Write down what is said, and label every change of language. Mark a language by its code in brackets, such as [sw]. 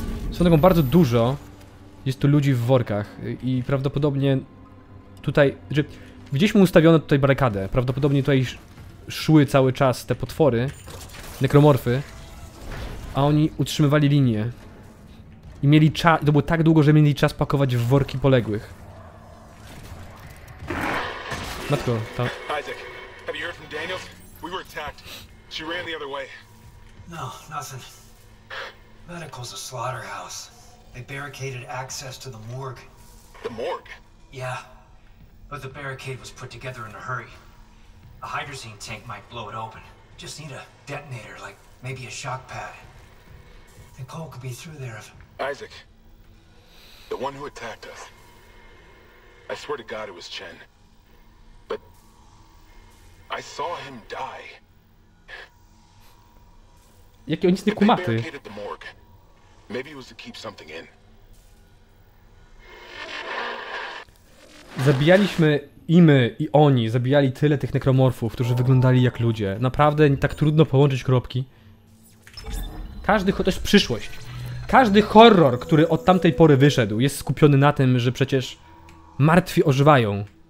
[pl] Są tego bardzo dużo. Jest tu ludzi w workach i prawdopodobnie tutaj, że widzieliśmy ustawioną tutaj barykadę. Prawdopodobnie tutaj szły cały czas te potwory, nekromorfy, a oni utrzymywali linię. I mieli czas, to było tak długo, że mieli czas pakować w worki poległych. Matko, tam. [en] Isaac, have you heard from Daniels? We were attacked. She ran the other way. No, nothing. Medical's a slaughterhouse. They barricaded access to the morgue. The morgue? Yeah. But the barricade was put together in a hurry. A hydrazine tank might blow it open. Just need a detonator, like maybe a shock pad. And Cole could be through there if... Isaac. The one who attacked us. I swear to God it was Chen. But... I saw him die. [pl] Jakie oni znikumaty. [en] Maybe it was to keep something in. [pl] Zabijaliśmy i my, i oni, zabijali tyle tych nekromorfów, którzy wyglądali jak ludzie. Naprawdę tak trudno połączyć kropki. Każdy, to jest przyszłość. Każdy horror, który od tamtej pory wyszedł, jest skupiony na tym, że przecież martwi ożywają.